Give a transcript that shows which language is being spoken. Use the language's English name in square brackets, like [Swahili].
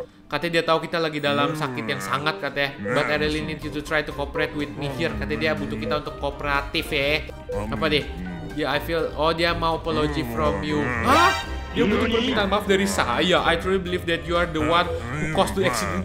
[Indonesian] Katanya dia tahu kita lagi dalam sakit yang sangat katanya. [English] But I really need you to try to cooperate with me here. [Indonesian] Katanya dia butuh kita untuk kooperatif ya. Apa deh? [English] Yeah, I feel. Oh, [Indonesian] dia mau [English] apology from you. Hah? [Indonesian] Dia butuh permintaan maaf dari saya. [English] I truly believe that you are the one who caused the accident.